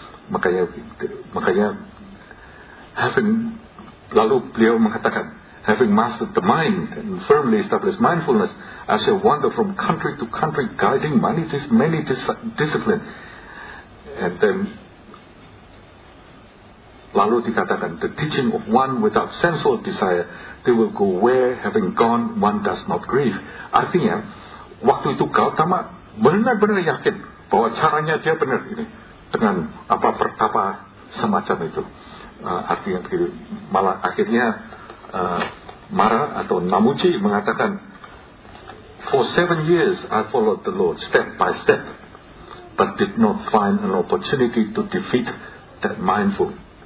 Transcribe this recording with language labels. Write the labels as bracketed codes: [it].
[id] Makanya [en] having, [id] lalu beliau mengatakan, [en] having mastered the mind and firmly established mindfulness, I shall wander from country to country, guiding many disciplines. And then, [id] lalu dikatakan, [en] the teaching of one without sensual desire, they will go where, having gone, one does not grieve. [id] Artinya, waktu itu Gautama benar-benar yakin bahwa caranya dia benar ini, dengan apa pertapa semacam itu. Artinya begitu. Malah akhirnya marah atau namuji mengatakan, [en] for 7 years I followed the Lord step by step, but did not find an opportunity to defeat that mindfulness.